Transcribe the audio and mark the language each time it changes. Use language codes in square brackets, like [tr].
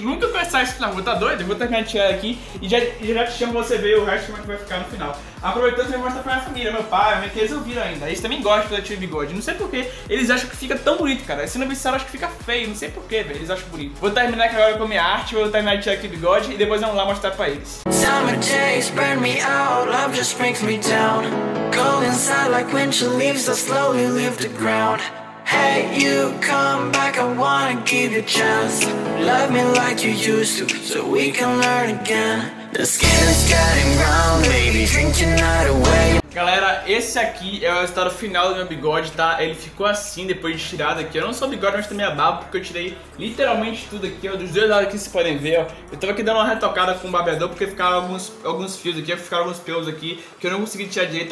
[pt] Nunca conheci isso na rua, tá doido? Eu vou terminar de tirar aqui e já te chamo você ver o resto como é que vai ficar no final. Aproveitando, eu vou mostrar pra minha família, meu pai, minha tia, eles ouviram ainda. Eles também gostam quando eu tiro bigode. Não sei porquê, eles acham que fica tão bonito, cara. Se não me disseram, acho que fica feio. Não sei porquê, velho. Eles acham bonito. Vou terminar aqui agora com a minha arte, vou terminar de tirar aqui o bigode e depois vamos lá mostrar pra eles. [en] Summer days burn me out, love just brings me down. Cold inside like winter leaves, I slowly leave the ground. Hey, you come back, I wanna give you a chance. Love me like you used to, so we can learn again. The skin is getting brown, baby, drink your night away. [pt] Galera, esse aqui é o resultado final do meu bigode, tá? Ele ficou assim depois de tirado aqui. Eu não sou bigode, mas também a barba, porque eu tirei literalmente tudo aqui, ó. Dos dois lados aqui, vocês podem ver, ó. Eu tava aqui dando uma retocada com o barbeador, porque ficaram alguns fios aqui, ficaram alguns pelos aqui, que eu não consegui tirar direito.